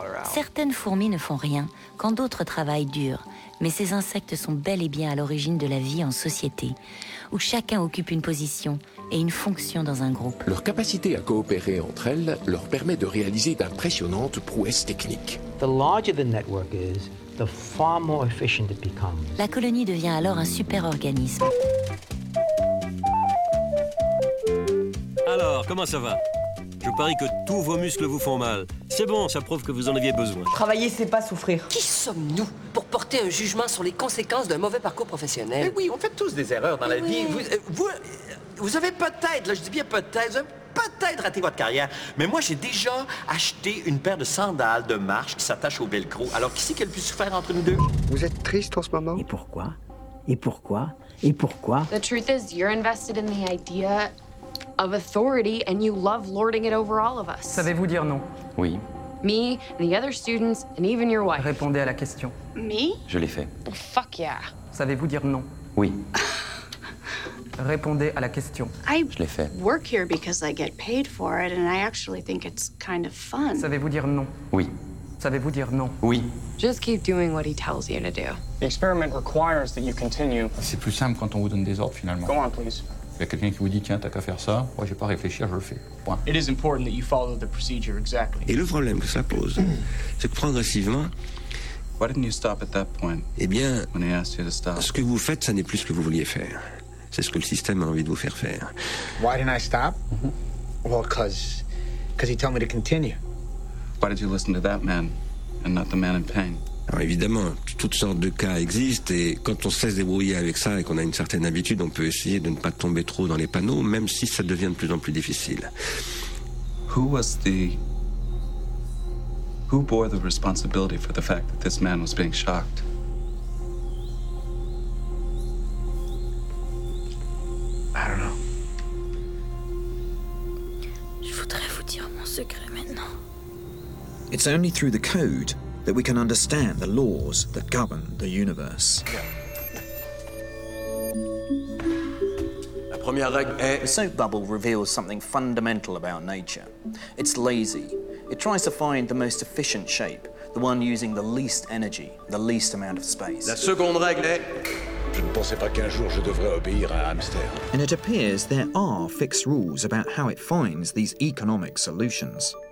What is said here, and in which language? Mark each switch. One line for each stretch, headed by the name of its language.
French: Certaines fourmis ne font rien, quand d'autres travaillent dur. Mais ces insectes sont bel et bien à l'origine de la vie en société, où chacun occupe une position et une fonction dans un groupe. Leur capacité à coopérer entre elles leur permet de réaliser d'impressionnantes prouesses techniques.
English: The larger the network is, the far more efficient it becomes.
French: La colonie devient alors un super-organisme. Alors, comment ça va? Je parie que tous vos muscles vous font mal. C'est bon, ça prouve que vous en aviez besoin. Travailler, c'est pas souffrir. Qui sommes-nous pour porter un jugement sur les conséquences d'un mauvais parcours professionnel? Mais oui, on fait tous des erreurs dans la vie. Vous avez peut-être, là, je dis bien peut-être, vous avez peut-être raté votre carrière. Mais moi, j'ai déjà acheté une paire de sandales de marche qui s'attachent au velcro. Alors, qui c'est qui a le plus souffert entre nous deux? Vous êtes triste en ce moment? Et pourquoi? Et pourquoi? Et pourquoi?
English: The truth is, you're invested in the idea of authority and you love lording it over all of us.
French: Savez-vous dire non? Oui.
English: Me, the other students and even your wife.
French: Répondez à la question.
English: Me?
French: Je l'ai fait.
English: Oh, fuck yeah.
French: Savez-vous dire non? Oui. Répondez à la question. Je l'ai fait.
English: I work here because I get paid for it and I actually think it's kind of fun.
French: Savez-vous dire non? Oui. Savez-vous dire non? Oui.
English: Just keep doing what he tells you to do. The experiment requires that you continue.
French: C'est plus simple quand on vous donne des ordres finalement.
English: Go on, please.
French: Il y a quelqu'un qui vous dit, tiens, t'as qu'à faire ça. Moi, j'ai pas réfléchi, je le fais. Point.
English: It is important that you follow the procedure exactly.
French: Et le problème que ça pose, c'est que progressivement,
English: why didn't you stop at that point?
French: Eh bien,
English: when he asked you to stop?
French: Ce que vous faites, ça n'est plus ce que vous vouliez faire. C'est ce que le système a envie de vous faire faire.
English: Why didn't I stop? Mm-hmm. Well, because he told me to continue. Why did you listen to that man and not the man in pain?
French: Alors évidemment, toutes sortes de cas existent et quand on se laisse débrouiller avec ça et qu'on a une certaine habitude, on peut essayer de ne pas tomber trop dans les panneaux, même si ça devient de plus en plus difficile.
English: Who bore the responsibility for the fact that this man was being shocked? I don't know.
French: Je voudrais vous dire mon secret maintenant.
English: It's only through the code that we can understand the laws that govern the universe.
French: La première règle est...
English: The soap bubble reveals something fundamental about nature. It's lazy. It tries to find the most efficient shape, the one using the least energy, the least amount of space.
French: La seconde règle est... Je ne pensais pas qu'un jour je devrais obéir à un hamster.
English: And it appears there are fixed rules about how it finds these economic solutions.